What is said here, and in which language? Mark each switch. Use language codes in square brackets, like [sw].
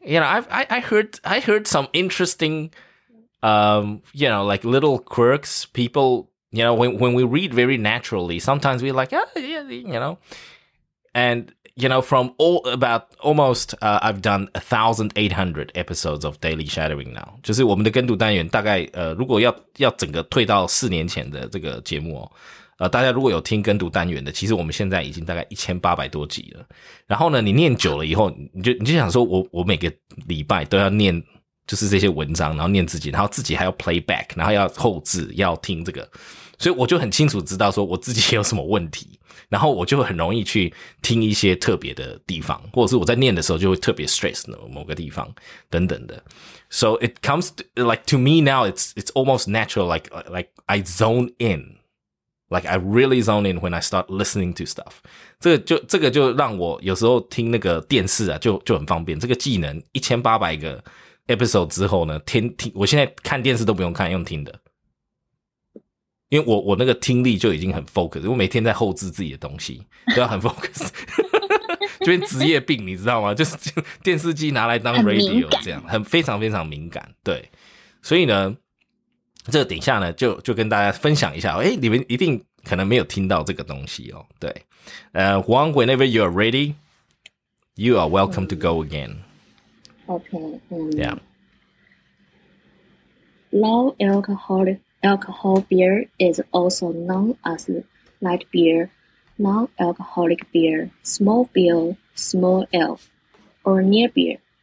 [en] You know, I heard some interesting, you know, like little quirks. People, you know, when we read very naturally, sometimes we're like, oh, yeah, you know. And, you know, from all about almost, I've done 1,800 episodes of Daily Shadowing now. [zh] 就是我们的跟读单元大概，如果要整个退到四年前的这个节目哦。大家如果有听跟读单元的，其实我们现在已经大概1800多集了。然后呢，你念久了以后，你就想说我每个礼拜都要念就是这些文章，然后念自己，然后自己还要 playback， 然后要后置，要听这个。所以我就很清楚知道说我自己有什么问题，然后我就很容易去听一些特别的地方，或者是我在念的时候就会特别 stress 某个地方等等的。 So it comes to me now, it's almost natural, like I zone in. Like I really zone in when I start listening to stuff. 这个就让我有时候听那个电视啊，就很方便。这个技能1800个 episode 之后呢，听我现在看电视都不用看，用听的。因为我那个听力就已经很 focus， 我每天在后置自己的东西，都要很 focus。就变职业病，你知道吗？就是电视机拿来当 radio 这样，很非常非常敏感。对，所以呢。这个等一下呢就跟大家分享一下，诶，你们一定可能没有听到这个东西哦，对。 [en] Huang, whenever you are ready, you are welcome to go again. Okay. Yeah. Low alcohol beer is also known as light beer, non-alcoholic beer, small beer, small elf, or near beer.